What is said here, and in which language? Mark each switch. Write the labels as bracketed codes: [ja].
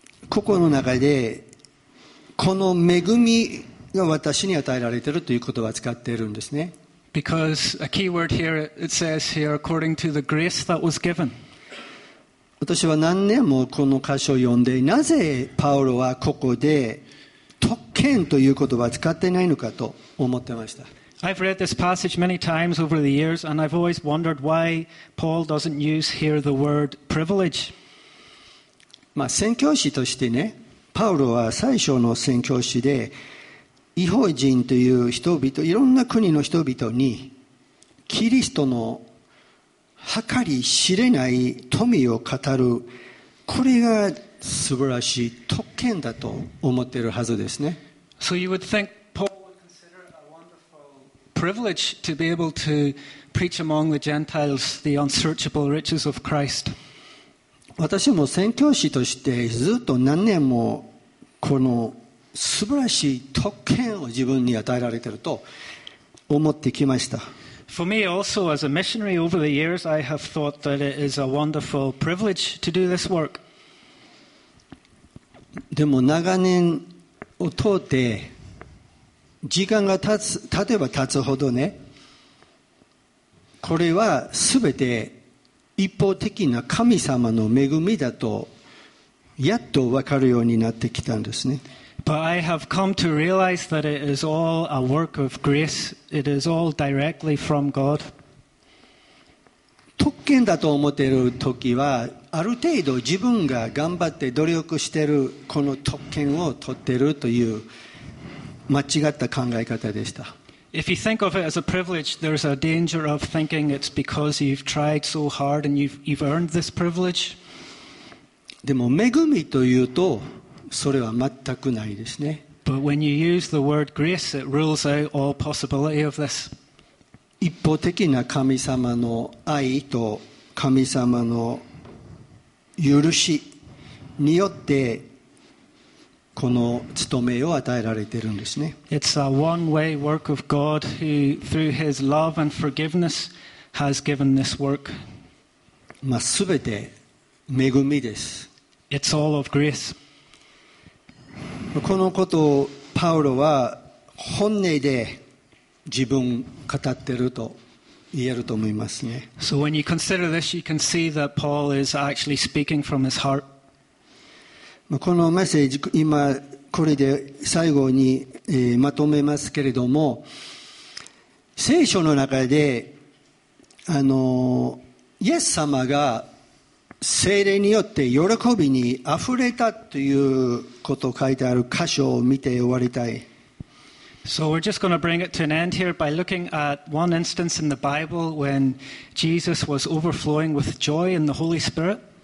[ja] ここの中でこの恵みが私に与えられているという言葉を使っているんですね。 [en] Because a key word here, it says here, according to the grace that was given. [ja] 私は何年もこの箇所を読んで、なぜパウロはここで特権という言葉を使ってないのかと思ってました。 [en] I've read this passage many times over the years, and I've always wondered why Paul doesn't use here the word privilege. [ja] まあ宣教師としてね、パウロは最初の宣教師で、異邦人という人々、いろんな国の人々にキリストの計り知れない富を語る、これが素晴らしい特権だと思っているはずですね。 [en] So you would think Paul would consider it a wonderful privilege to be able to preach among the Gentiles the unsearchable riches of Christ. [ja] 私も宣教師としてずっと何年もこの素晴らしい特権を自分に与えられていると思ってきました。 [en] For me also as a missionary over the years, I have thought that it is a wonderful privilege to do this work. [ja] でも長年を通って時間が経つ、例えば経つほどね、これは全て一方的な神様の恵みだとやっと分かるようになってきたんですね。 [en] But I have come to realize that it is all a work of grace. It is all directly from God. [ja] 特権だと思っている時はある程度自分が頑張って努力しているこの特権を取っているという間違った考え方でした。 [en] If you think of it as a privilege, there's a danger of thinking it's because you've tried so hard and you've earned this privilege. [ja] でも恵みというとそれは全くないですね。 [en] But when you use the word grace, it rules out all possibility of this. [ja] 一方的な神様の愛と神様の許しによってこの務めを与えられているんですね。 [en] It's a one-way work of God who, through His love and forgiveness, has given this work. [ja] まあ、すべて恵みです。 [en] It's all of grace. [ja] このことをパウロは本音で自分語っていると。言えると思いますね。 [en] So when you consider this, you can see that Paul is actually speaking from his heart. [ja] このメッセージ、今これで最後にまとめますけれども、聖書の中でイエス様が聖霊によって喜びにあふれたということを書いてある箇所を見て終わりたい。 [en] So we're just going to bring it to an end here by looking at one instance in the Bible when Jesus was overflowing with joy in the Holy Spirit.